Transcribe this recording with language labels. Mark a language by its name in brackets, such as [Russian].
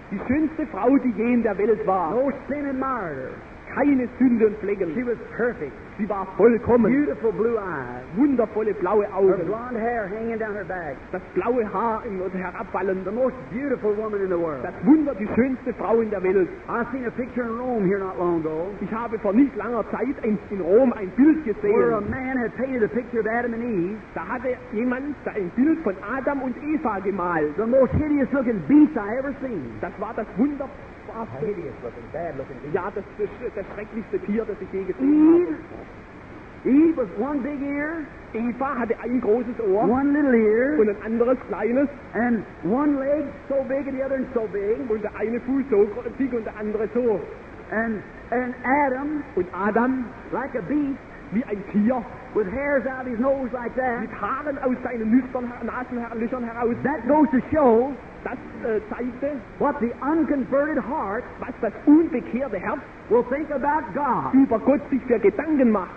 [German] Die schönste Frau, die je in der Welt war. [English] No sin admired her. [German] Keine Sünde und Flecken. [English] She was perfect. [German] Sie war vollkommen. [English] Beautiful blue eyes. [German] Wundervolle blaue Augen. [English] Her blonde hair hanging down her back. [German] Das blaue Haar in und herabfallen. [English] The most beautiful woman in the world. [German] Das Wunder, die schönste Frau in der Welt. [English] I seen a picture in Rome here not long ago. [German] Ich habe vor nicht langer Zeit in Rom ein Bild gesehen. [English] Where a man had painted a picture of Adam and Eve. [German] Da hatte jemand da ein Bild von Adam und Eva gemalt. [English] The most hideous looking beast I ever seen. [German] Das war das Wunder. [English] Hideous looking, bad looking. [German] Beast. Ja, das schrecklichste Tier, das ich je gesehen habe. [English] Eve was one big ear. [German] Eva hatte ein großes Ohr. [English] One little ear. [German] Und ein anderes kleines. [English] And one leg so big and the other so big. [German] Und der eine Fuß so dick und der andere so. [English] And Adam. [German] Und Adam. [English] Like a beast. [German] Wie ein Tier. [English] With hairs out of his nose like that. [German] Mit Haaren aus seinen Nasenlöchern heraus. [English] That goes to show. [German] Das zeigte, [English] what the unconverted heart, [German] was das unbekehrte Herz, [English] will think about God. [German] Über Gott sich für Gedanken macht.